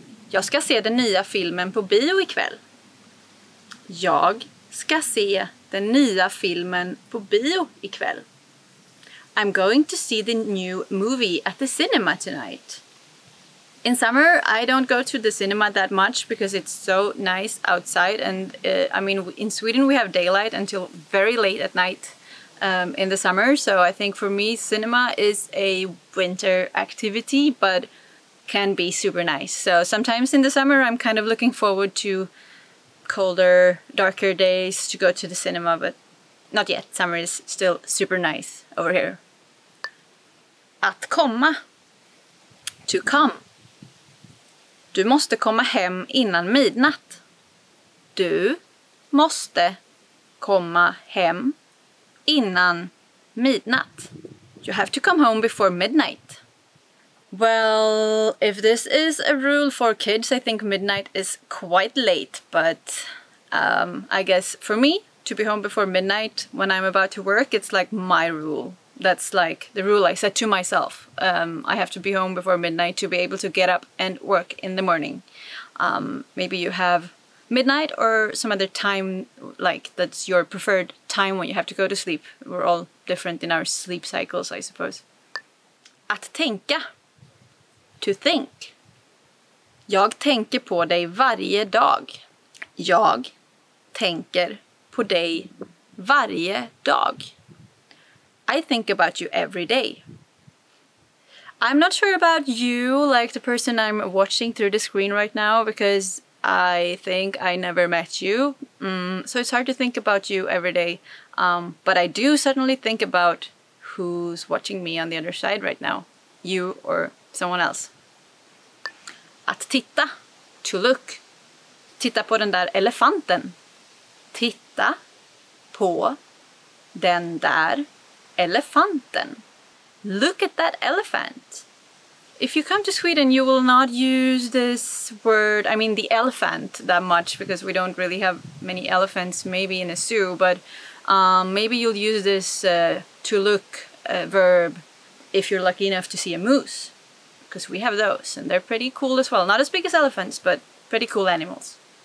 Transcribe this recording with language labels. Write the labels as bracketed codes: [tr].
[sv] Jag ska se den nya filmen på bio ikväll. Jag ska se den nya filmen på bio ikväll. [en] I'm going to see the new movie at the cinema tonight. In summer, I don't go to the cinema that much because it's so nice outside. And I mean, in Sweden, we have daylight until very late at night in the summer. So I think for me, cinema is a winter activity, but can be super nice. So sometimes in the summer, I'm kind of looking forward to colder, darker days to go to the cinema, but not yet. Summer is still super nice over here. [sv] Att komma. [en] To come. [sv] Du måste komma hem innan midnatt. Du måste komma hem innan midnatt. [en] You have to come home before midnight. Well, if this is a rule for kids, I think midnight is quite late. But I guess for me, to be home before midnight when I'm about to work, it's like my rule. That's like the rule I set to myself. I have to be home before midnight to be able to get up and work in the morning. Maybe you have midnight or some other time, like that's your preferred time when you have to go to sleep. We're all different in our sleep cycles, I suppose. [sv] Att tänka. [en] To think. [sv] Jag tänker på dig varje dag. Jag tänker på dig varje dag. [en] I think about you every day. I'm not sure about you, like the person I'm watching through the screen right now, because I think I never met you. So it's hard to think about you every day. But I do certainly think about who's watching me on the other side right now. You or someone else. [sv] Att titta. [en] To look. [sv] Titta på den där elefanten. Titta på den där elefanten. [en] Look at that elephant. If you come to Sweden, you will not use this word, I mean the elephant, that much, because we don't really have many elephants, maybe in a zoo, but maybe you'll use this to look verb if you're lucky enough to see a moose, because we have those and they're pretty cool as well. Not as big as elephants, but pretty cool animals.